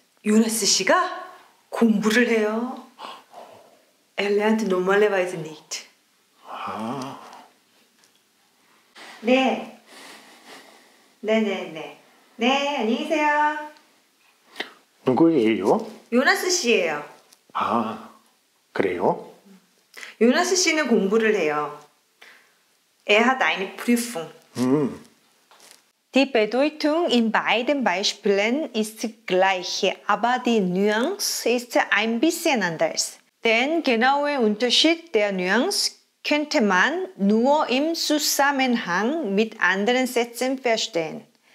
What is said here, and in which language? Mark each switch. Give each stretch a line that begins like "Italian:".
Korean: 요나스 씨가 공부를 해요.
German: Er lernt normalerweise nicht.
Korean: 아. 네. 네, 네, 네. 네, 안녕하세요. 누구예요? 요나스 씨예요. 아, 그래요? 요나스 씨는 공부를 해요.
German: Er hat eine Prüfung. Die Bedeutung in beiden Beispielen ist gleich, aber die Nuance ist ein bisschen anders. Den genauen Unterschied der Nuance könnte man nur im Zusammenhang mit anderen Sätzen verstehen.